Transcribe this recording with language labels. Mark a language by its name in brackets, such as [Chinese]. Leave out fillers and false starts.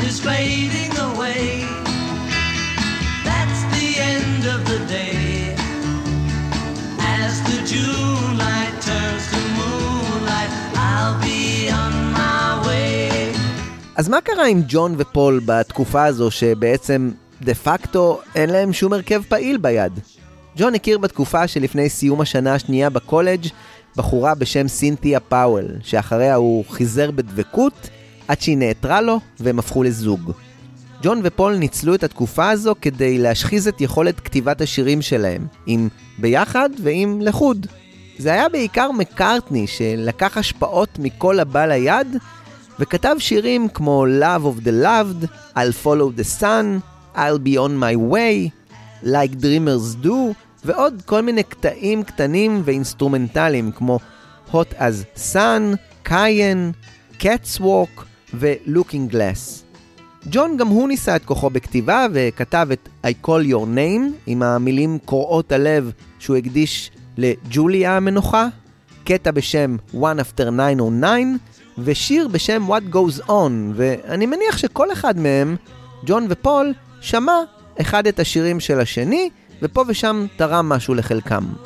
[English] Fading away, that's the end of the day. As the June light turns to moonlight, I'll be on my way. [Hebrew] אז מה קרה עם ג'ון ופול בתקופה הזו שבעצם דה פקטו אין להם שום הרכב פעיל ביד? ג'ון הכיר בתקופה שלפני סיום השנה השנייה בקולג' בחורה בשם סינתיה פאוול, שאחריה הוא חיזר בדבקות עד שהיא נעתרה לו והם הפכו לזוג. ג'ון ופול ניצלו את התקופה הזו כדי להשחיז את יכולת כתיבת השירים שלהם, עם ביחד ועם לחוד. זה היה בעיקר מקארטני שלקח השפעות מכל הבא ליד, וכתב שירים כמו Love of the Loved, I'll Follow the Sun, I'll Be On My Way, Like Dreamers Do, ועוד כל מיני קטעים קטנים ואינסטרומנטליים כמו Hot as Sun, Cayenne, Cats Walk ו-Looking Glass. ג'ון גם הוא ניסה את כוחו בכתיבה וכתב את I Call Your Name עם המילים קוראות הלב שהוא הקדיש לג'וליה המנוחה, קטע בשם One After 909 ושיר בשם What Goes On, ואני מניח שכל אחד מהם, ג'ון ופול, שמע אחד את השירים של השני ופה ושם תרם משהו לחלקם.